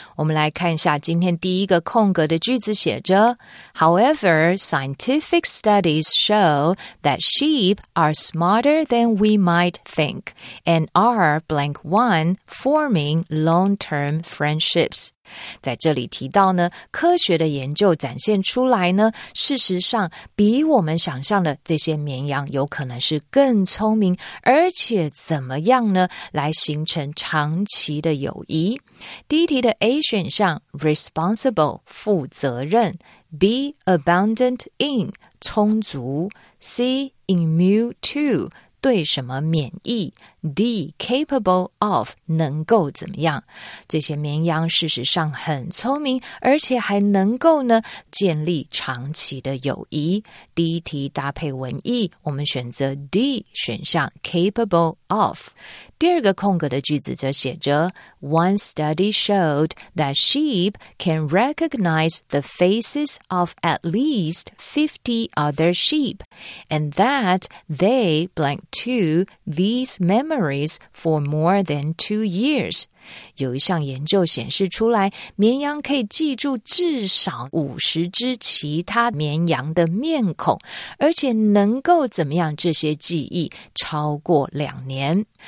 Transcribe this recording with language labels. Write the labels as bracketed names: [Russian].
[Chinese] 我们来看一下今天第一个空格的句子写着 [English] However, scientific studies show that sheep are smarter than we might think and are blank one forming long-term friendships. [Chinese] 在这里提到呢，科学的研究展现出来呢，事实上比我们想象的这些绵羊有可能是更聪明，而且怎么样呢，来形成长期的友谊。第一题的 A 选项 responsible 负责任 ，B abundant in 充足 ，C immune to 对什么免疫。 D, capable of, 能够怎么样？这些绵羊事实上很聪明，而且还能够呢，建立长期的友谊。第一题搭配文意，我们选择 D 选项 capable of。第二个空格的句子则写着 [English] One study showed that sheep can recognize the faces of at least 50 other sheep, and that they blank to these memories for more than 2 years. [Chinese] 有一项研究显示出来，绵羊可以记住至少50只其他绵羊的面孔，而且能够怎么样这些记忆超过两年。